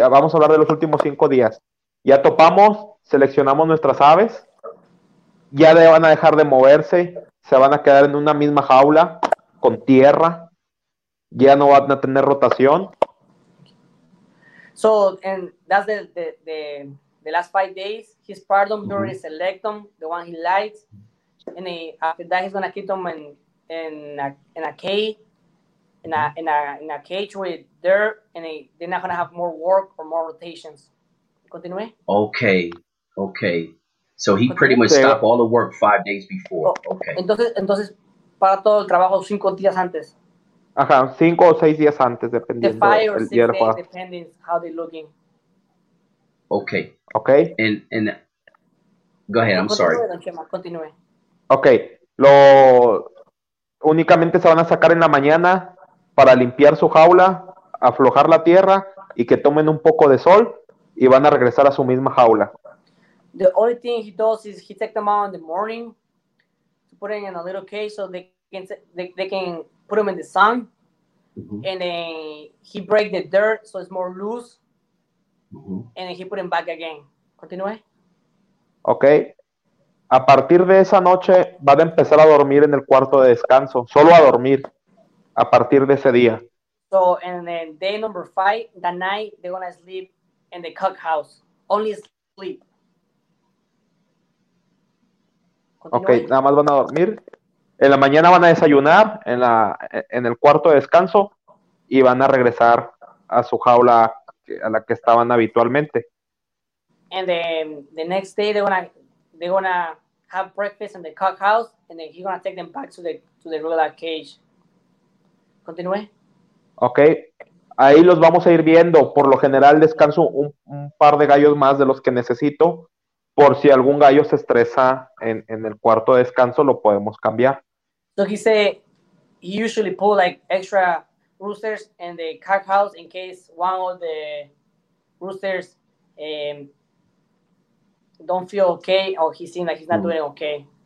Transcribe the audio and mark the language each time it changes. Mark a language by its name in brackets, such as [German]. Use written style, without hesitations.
[Spanish] Ok, vamos a hablar de los últimos 5 días. Ya topamos, seleccionamos nuestras aves, ya van a dejar de moverse, se van a quedar en una misma jaula con tierra, ya no van a tener rotación. [English] So, and that's the last 5 days, he's part of them, he's select them, the one he likes, and after that he's going to keep them in a cage. In a cage with dirt, and they're not going to have more work or more rotations. Continue. Okay. So he pretty much stopped all the work 5 days before. Okay. [Spanish] Entonces para todo el trabajo 5 días antes. Ajá, 5 o 6 días antes, dependiendo. [English] The 5 or 6 days, depending how they're looking. Okay. And go ahead, I'm sorry. Continue. Okay. [Spanish] Lo únicamente se van a sacar en la mañana para limpiar su jaula, aflojar la tierra y que tomen un poco de sol y van a regresar a su misma jaula. [English] The only thing he does is he takes them out in the morning to put them in a little cage so they can put them in the sun. Mm-hmm. And then he breaks the dirt so it's more loose. Mm-hmm. And then he put them back again. [Spanish] Continúe. [English] Okay. [Spanish] A partir de esa noche van a empezar a dormir en el cuarto de descanso, solo a dormir. A partir de ese día. [English] So, and then day number 5, that night, they're going to sleep in the cook house. Only sleep. [Spanish] Okay, nada más van a dormir. En la mañana van a desayunar en el cuarto de descanso y van a regresar a su jaula a la que estaban habitualmente. [English] And then the next day, they're gonna have breakfast in the cook house, and then he's going to take them back to the regular cage. [Spanish] Continúe. Ok, ahí los vamos a ir viendo. Por lo general descanso un par de gallos más de los que necesito. Por si algún gallo se estresa en el cuarto de descanso, lo podemos cambiar. [English] So he said he usually pull like extra roosters in the cock house in case one of the roosters don't feel okay or he seems like he's not doing okay.